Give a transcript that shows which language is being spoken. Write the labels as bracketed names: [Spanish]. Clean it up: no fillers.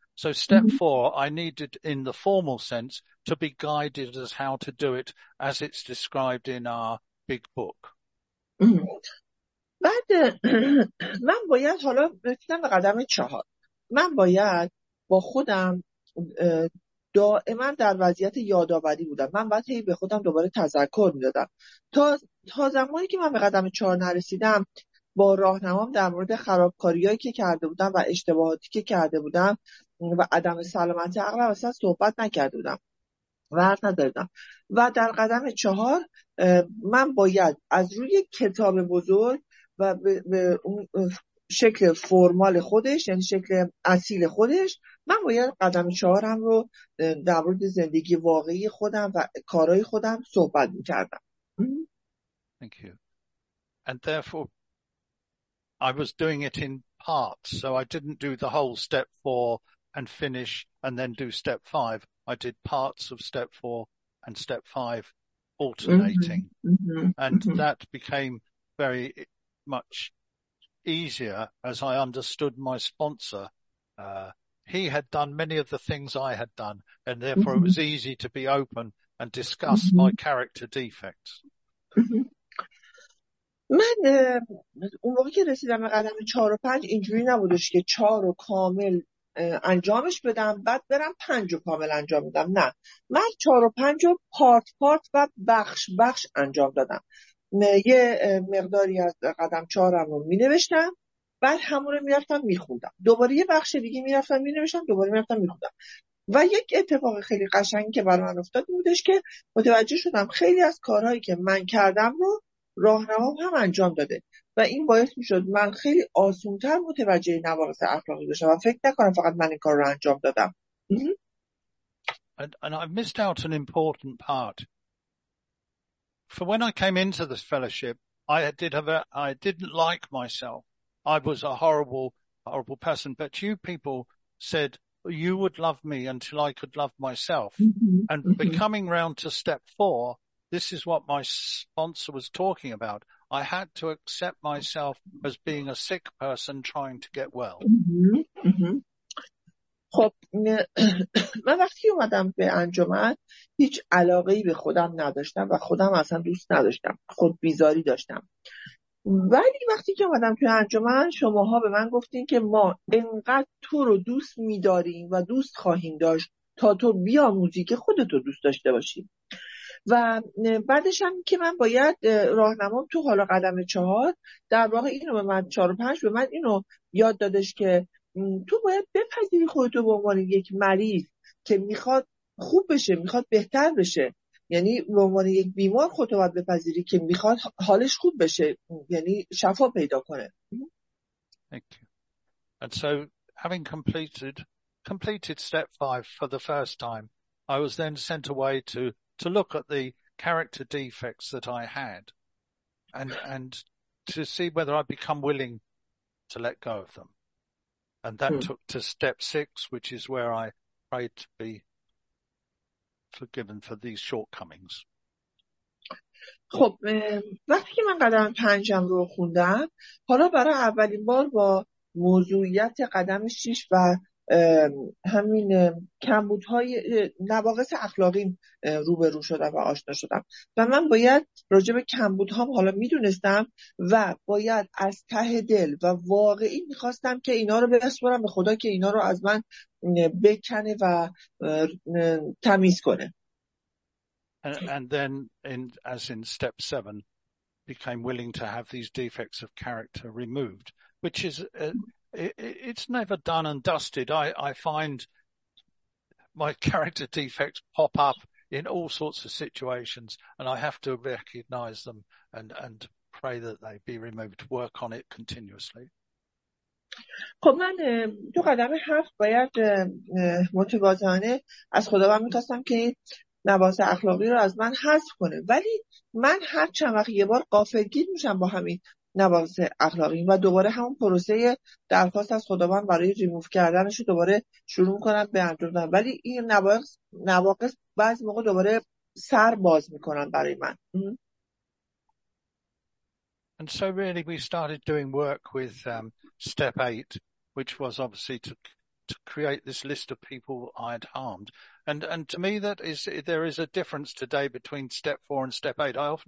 [English] So step four, I needed in the formal sense to be guided as how to do it as it's described in our big book. [Persian] بعد من باید حالا رسیدم به قدم چهار. من باید با خودم دائما در وضعیت یادآوری بودم، من باید هی به خودم دوباره تذکر میدادم. تا زمانی که من به قدم چهار نرسیدم، با راهنمام در مورد خرابکاریایی که کرده بودم و اشتباهاتی که کرده بودم و عدم سلامت عقلم اصلا صحبت نکرده بودم و حرف نزدم، و در قدم چهار من باید از روی کتاب بزرگ و به اون شکل فرمال خودش، یعنی شکل اصیل خودش، من باید قدم چهارم رو در مورد زندگی واقعی خودم و کارهای خودم صحبت می‌کردم. [English] Thank you. And therefore I was doing it in parts, so I didn't do the whole step 4 and finish and then do step 5. I did parts of step 4 and step 5 alternating. And that became very much easier as I understood my sponsor. He had done many of the things I had done, and therefore it was easy to be open and discuss my character defects. [Persian] من اون موقع که رسیدم به قدم 4 و 5 اینجوری نبودش که 4 رو کامل انجامش بدم بعد برم 5 رو کامل انجام بدم، نه، من 4 و 5 رو پارت پارت و بخش بخش انجام دادم. یه مقداری از قدم چهارم رو می نوشتم، بعد همون رو می رفتم می خوندم، دوباره یه بخش دیگه می رفتم می نوشتم، دوباره می رفتم می خوندم. و یک اتفاق خیلی قشنگی که برام افتاد بودش که متوجه شدم خیلی از کارهایی که من کردم رو راهنمام هم انجام داده، و این باعث می شد من خیلی آسونتر متوجه نواقص اخلاقی بشم و فکر نکنم فقط من این کار رو انجام دادم. [English] And I missed out an important part. For when I came into this fellowship, I didn't like myself. I was a horrible, horrible person. But you people said you would love me until I could love myself. And becoming round to step 4, this is what my sponsor was talking about. I had to accept myself as being a sick person trying to get well. [Persian] خب من وقتی اومدم به انجمن هیچ علاقه ای به خودم نداشتم و خودم اصلا دوست نداشتم، خود بیزاری داشتم. ولی وقتی که اومدم توی انجمن، شماها به من گفتین که ما انقدر تو رو دوست میداریم و دوست خواهیم داشت تا تو بیاموزی که خودتو دوست داشته باشی. و بعدش هم که من باید راهنمام تو حالا قدم چهار، در واقع اینو به من چهار و پنج به من اینو یاد دادش که تو باید بپذیری خودتو به عنوان یک مریض که میخواد خوب بشه، میخواد بهتر بشه، یعنی به عنوان یک بیمار خودتو باید بپذیری که میخواد حالش خوب بشه، یعنی شفا پیدا کنه. [English] Thank you. And so having completed step 5 for the first time, I was then sent away to look at the character defects that I had and to see whether I'd become willing to let go of them. And that took to step 6, which is where I prayed to be forgiven for these shortcomings. [Persian] خب وقتی که من قدم پنجم رو خوندم، حالا برای اولین بار با موضوعیت قدم 6 و همین کمبودهای نواقص اخلاقی روبرو شدم و آشنا شدم و من باید راجع به کمبودهام حالا میدونستم و باید از ته دل و واقعی میخواستم که اینا رو بسپارم به خدا که اینا رو از من بکنه و تمیز کنه. [English] And then, as in step 7, became willing to have these defects of character removed, which is it's never done and dusted. I find my character defects pop up in all sorts of situations, and I have to recognize them and pray that they be removed. Work on it continuously. [Persian] خب من دو قدم هفت باید متواضعانه از خداوند می‌خواستم که نواقص اخلاقی رو از من حذف کنه، ولی من هر چند وقت یه بار غافلگیر میشم با همین نواقص اخلاقی و دوباره همون پروسه درخواست از خداوند برای ریموف کردنش رو دوباره شروع میکنم به انجام دادن، ولی این نواقص بعضی موقع دوباره سر باز میکنن برای من. [English] And so really we started doing work with step 8, which was obviously to create this list of people I had harmed. And to me, that is, there is a difference today between step 4 and step 8.